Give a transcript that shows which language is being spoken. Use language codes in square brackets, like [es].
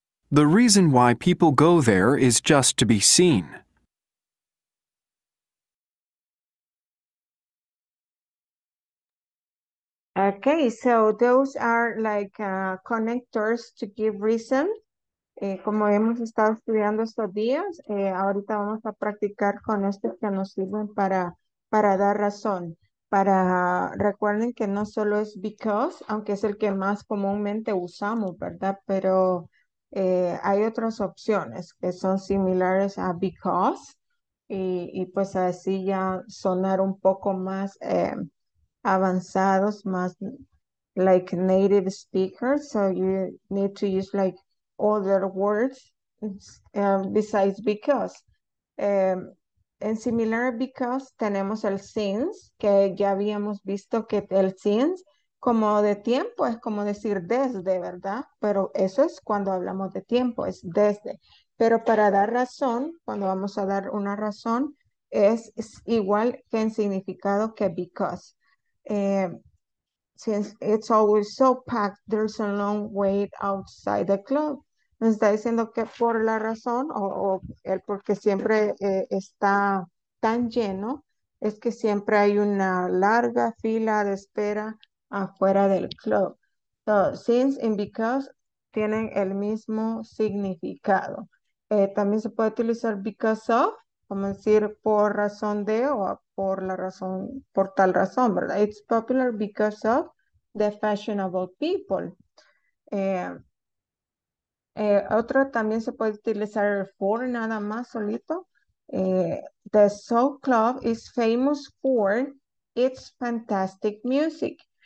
[en] The reason why people go there is just to be seen. Okay, so those are like connectors to give reason. [es] Como hemos estado estudiando estos días, ahorita vamos a practicar con estos que nos sirven para dar razón. Para recuerden que no solo es because, aunque es el que más comúnmente usamos, ¿verdad? Pero hay otras opciones que son similares a because y pues así ya sonar un poco más avanzados, más [en] like native speakers, so you need to use like other words besides because. [es] En similar because tenemos el since, que ya habíamos visto que el since como de tiempo es como decir desde, ¿verdad? Pero eso es cuando hablamos de tiempo, es desde. Pero para dar razón, cuando vamos a dar una razón, es igual que en significado que because. [en] Since it's always so packed, there's a long wait outside the club. [es] Me está diciendo que por la razón o el porque siempre está tan lleno, es que siempre hay una larga fila de espera afuera del club. So, since and because tienen el mismo significado. También se puede utilizar because of, como decir por razón de o por la razón, por tal razón, ¿verdad? [en] It's popular because of the fashionable people. [es] Otro también se puede utilizar el for nada más solito. [en] The soul club is famous for its fantastic music.